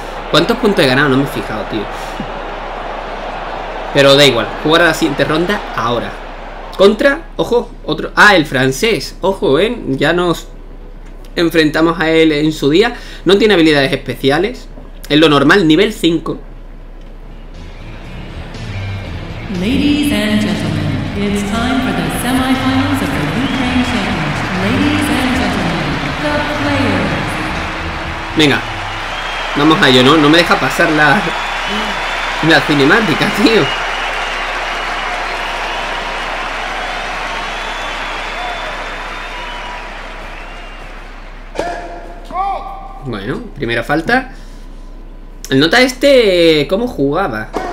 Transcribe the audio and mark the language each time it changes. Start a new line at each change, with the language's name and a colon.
Spanish: ¿Cuántos puntos he ganado? No me he fijado, tío. Pero da igual, jugar a la siguiente ronda ahora. Contra, ojo, otro. Ah, el francés, ojo, ya nos enfrentamos a él en su día. No tiene habilidades especiales. Es lo normal, nivel 5.
English: Ladies and gentlemen, it's time for the semifinals of the Ukraine Championship. Ladies and gentlemen, the players.
Spanish: Venga, vamos a ello, ¿no? No me deja pasar la cinemática, tío. Bueno, primera falta. El nota este, ¿cómo jugaba?